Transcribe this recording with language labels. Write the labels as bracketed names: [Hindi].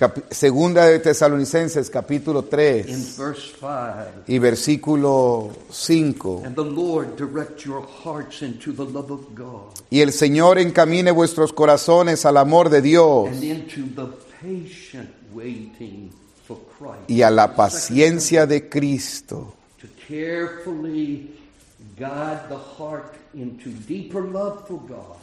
[Spanish] Segunda de Tesalonicenses, capítulo 3, y versículo 5. [English] And the Lord direct your hearts into the love of God. [Spanish] Y el Señor encamine vuestros corazones al amor de Dios. [English] And into the patient waiting for Christ. [Spanish] Y a la paciencia de Cristo. [English] To carefully guide the heart into deeper love for God.